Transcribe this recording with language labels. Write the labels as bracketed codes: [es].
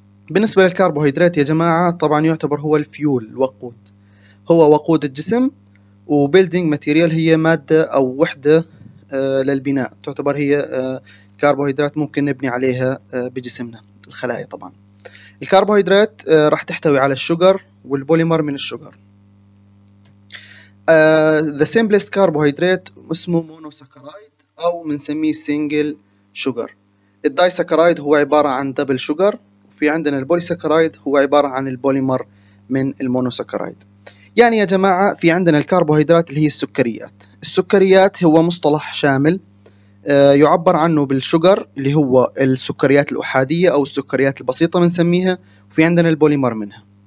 [ar] بالنسبة للكربوهيدرات يا جماعة، طبعا يعتبر هو الفيول، الوقود، هو وقود الجسم، وبيلدينج ماتيريال هي مادة أو وحدة للبناء، تعتبر هي كربوهيدرات ممكن نبني عليها بجسمنا، الخلايا طبعا. الكربوهيدرات راح تحتوي على الشوجر والبوليمر من الشوجر. [en] The simplest carbohydrate [ar] اسمه [en] monosaccharide [ar] أو بنسميه [en] single sugar. [ar] الدايساكرايد هو عبارة عن دبل شوجر، وفي عندنا البوليساكرايد هو عبارة عن البوليمر من المونوساكرايد. يعني يا جماعة في عندنا الكربوهيدرات اللي هي السكريات. السكريات هو مصطلح شامل يعبر عنه بالشجر اللي هو السكريات الأحادية أو السكريات البسيطة بنسميها، وفي عندنا البوليمر منها.